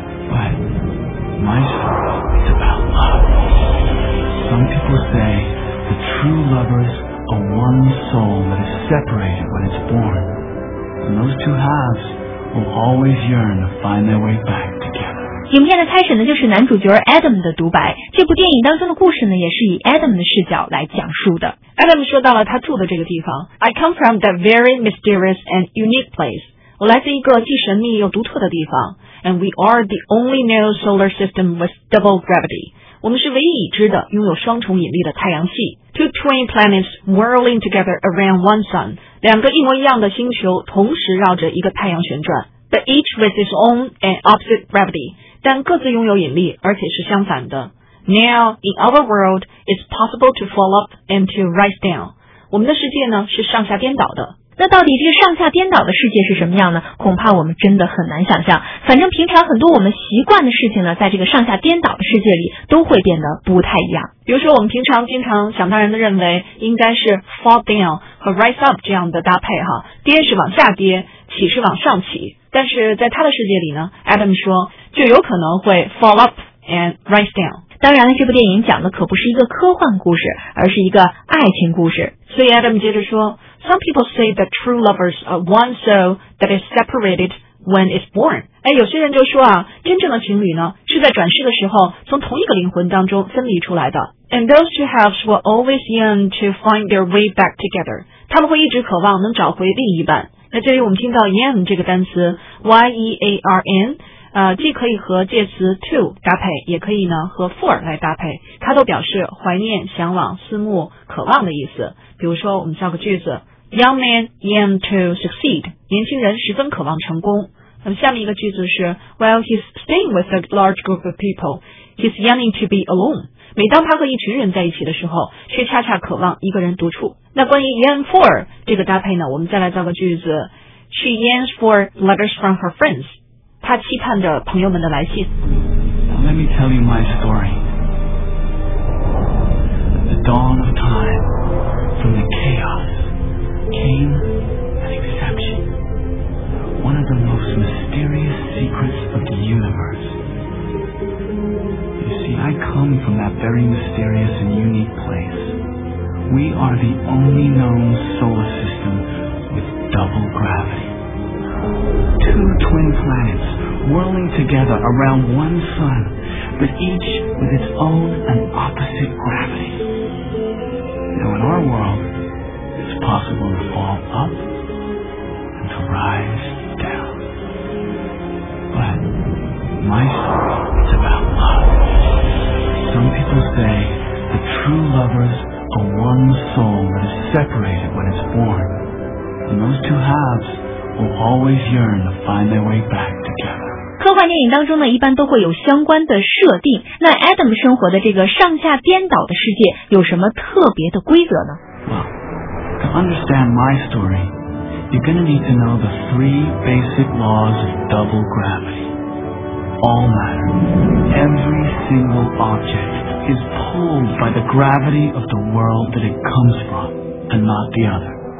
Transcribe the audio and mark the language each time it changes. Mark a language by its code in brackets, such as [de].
[en] But my story is about love. Some people say the true lovers are one soul that is separated when it's born. And those two halves will always yearn to find their way back. [zh] 影片的开始呢，就是男主角 Adam 的独白。这部电影当中的故事呢，也是以 Adam 的视角来讲述的。 [en] Adam [zh] 说到了他住的这个地方 [en] ，I come from that very mysterious and unique place。 [zh] 我来自一个既神秘又独特的地方。 [en] And we are the only known solar system with double gravity。 [zh] 我们是唯一已知的拥有双重引力的太阳系。 [en] Two twin planets whirling together around one sun。 [zh] 两个一模一样的星球同时绕着一个太阳旋转。 [en] But each with its own and opposite gravity. [zh] 但各自拥有引力，而且是相反的。 [en] Now, in our world, it's possible to fall up and to rise down. [zh] 我们的世界呢，是上下颠倒的。那到底这个上下颠倒的世界是什么样呢？恐怕我们真的很难想象。反正平常很多我们习惯的事情呢，在这个上下颠倒的世界里都会变得不太一样。比如说我们平常经常想当然的认为应该是 fall down 和 rise up 这样的搭配哈，跌是往下跌，起是往上起。但是在他的世界里呢， Adam 说就有可能会 [en] fall up and rise down。 [zh] 当然了，这部电影讲的可不是一个科幻故事，而是一个爱情故事。所以 Adam 接着说， [en] Some people say that true lovers are one soul that is separated when it's born. [zh] 哎，有些人就说啊，真正的情侣呢，是在转世的时候从同一个灵魂当中分离出来的。 [en] And those two halves will always yearn to find their way back together. [zh] 他们会一直渴望能找回另一半。那这里我们听到 yearn 这个单词 ,Y-E-A-R-N,既可以和介词 to 搭配，也可以呢和 for 来搭配，它都表示怀念、向往、思慕、渴望的意思。比如说我们造个句子， [en] Young man yearn to succeed， [zh] 年轻人十分渴望成功。那么下面一个句子是， [en] While he's staying with a large group of people, he's yearning to be alone， [zh] 每当他和一群人在一起的时候，却恰恰渴望一个人独处。那关于 Yan for 这个搭配呢，我们再来造个句子。 [en] She yearns for letters from her friends. [zh] 她期盼着朋友们的来信。 [en] Let me tell you my story. At the dawn of time, from the chaos, came an exception. One of the most mysterious secrets of the universe. You see, I come from that very mysterious and unique place. We are the only known solar system with double gravity. Two twin planets whirling together around one sun. But each with its own and opposite gravity. Now in our world, it's possible to fall up and to rise down. But my story is about love. Some people say that true lovers are one soul that is separated when it's born. And those two halves will always yearn to find their way back together. [zh] 科幻电影当中呢，一般都会有相关的设定。那 Adam 生活的这个上下颠倒的世界有什么特别的规则呢？ [en] Well, to understand my story, you're going to need to know the three basic laws of double gravity. All matter, every single object, is pulled by the gravity of the world that it comes from, and not the other.